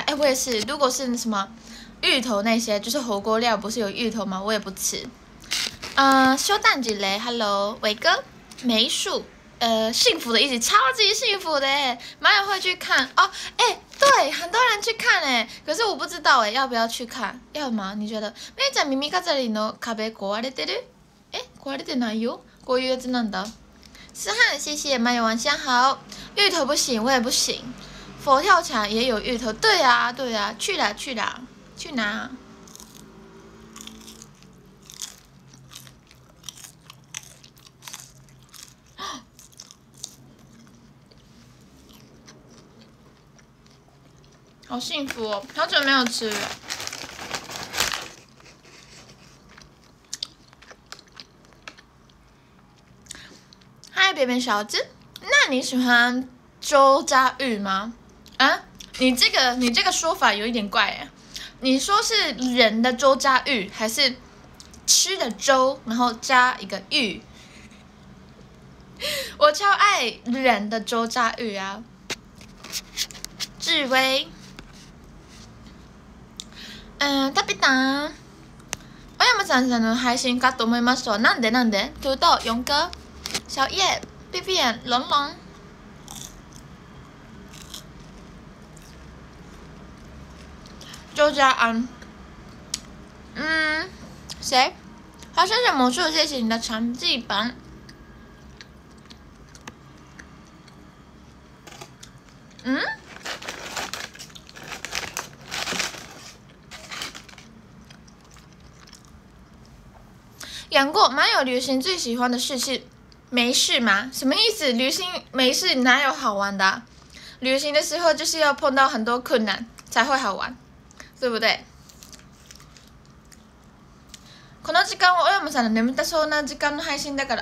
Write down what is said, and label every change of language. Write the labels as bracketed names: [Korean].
[Chinese] 哎，我也是，如果是什么芋头那些，就是火锅料不是有芋头吗？我也不吃。修蛋几雷 ，Hello， 伟哥，梅树，幸福的一集，超级幸福的，马友会去看哦，哎，对，很多人去看哎，可是我不知道哎，要不要去看？要吗？你觉得？ [Japanese] 妹ちゃん耳飾りの壁壊れてる？え、壊れてないよ。こういうやつなんだ。 [Chinese] 思翰，谢谢马友晚上好。芋头不行，我也不行。佛跳墙也有芋头，对呀，去啦，去拿。好幸福哦，好久没有吃了。嗨，扁扁小子，那你喜欢粥加芋吗？啊，你这个说法有一点怪耶。你说是人的粥加芋，还是吃的粥然后加一个芋？我超爱人的粥加芋啊，智威。 [Japanese] タピタン、小山さんさんの配信かと思いました。なんでなんで？トゥトウ、ヨンカ、小葉、ピピエン、ロンロン。ジョージャアン。 [Chinese] 谁？花生小魔术，谢谢你的长记本。杨过，蛮有旅行最喜欢的事是没事吗？什么意思？旅行没事哪有好玩的、啊？旅行的时候就是要碰到很多困难才会好玩，对不对？ [Japanese] この時間は小山さんの眠たそうな時間の配信だから。